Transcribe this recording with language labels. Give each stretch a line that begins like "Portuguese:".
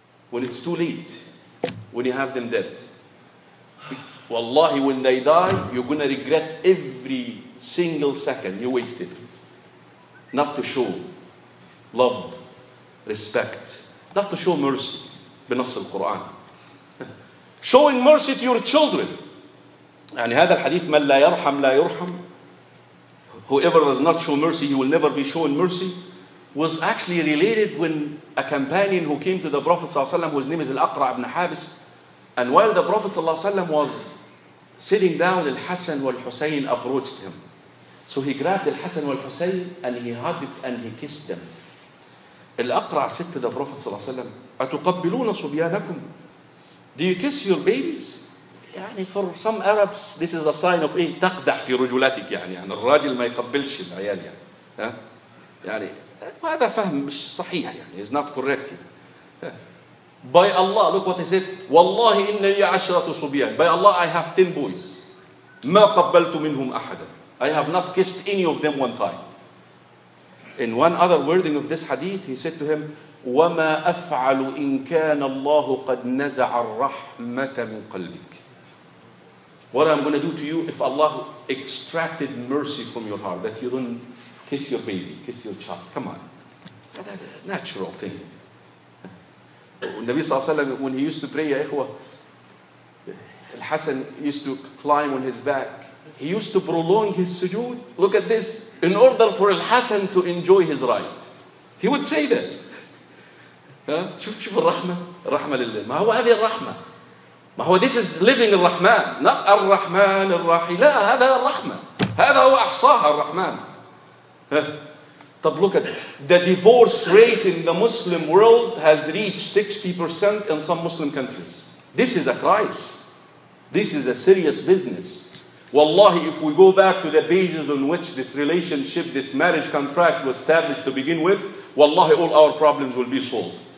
English: When it's too late, when you have them dead. Wallahi, when they die, you're going to regret every single second you wasted. Not to show love, respect, not to show mercy.
Arabic: بنص القرآن.
English: Showing mercy to your children.
Arabic: يعني هذا الحديث, من لا يرحم لا يرحم.
English: Whoever does not show mercy, he will never be shown mercy, was actually related when a companion who came to the Prophet ﷺ, whose name is Al-Aqra ibn Habis, and while the Prophet ﷺ was sitting down, Al-Hasan wal-Husayn approached him. So he grabbed Al-Hasan wal-Husayn and he hugged and he kissed them. Al-Aqra said to the Prophet ﷺ,
Arabic: أَتُقَبِّلُونَ صُبْيَانَكُمْ.
English: Do you kiss your babies?
Arabic: يعني
English: for some Arabs, this is a sign of
Arabic: تقدح في رجولاتك, يعني الراجل ما يقبلش العيال, يعني هذا فهم مش صحيح, يعني
English: it's not correct. By Allah, look what he said,
Arabic: والله إنني عشرة صبيان.
English: By Allah, I have 10 boys,
Arabic: ما قبلت منهم أحدا,
English: I have not kissed any of them one time. In one other wording of this hadith, he said to him,
Arabic: وما أفعل إن كان الله قد نزع الرحمة من قلبك.
English: What I'm going to do to you if Allah extracted mercy from your heart, that you don't kiss your baby, kiss your child. Come on. That's a natural thing. Nabi Sallallahu Alaihi Wasallam, when he used to pray, Ya Ikhwa, Al-Hasan used to climb on his back. He used to prolong his sujood. Look at this. In order for Al-Hasan to enjoy his right. He would say that.
Arabic: شوف الرحمة. الرحمة لله. ما هو هذه الرحمة؟ ما هو
English: this is living
Arabic: الرحمن, not الرحمن الرحيم. لا, هذا الرحمة, هذا هو أحصاها الرحمن. طب
English: look at the divorce rate in the Muslim world has reached 60% in some Muslim countries. This is a crisis. This is a serious business. Wallahi, if we go back to the basis on which this relationship, this marriage contract was established to begin with, wallahi, all our problems will be solved.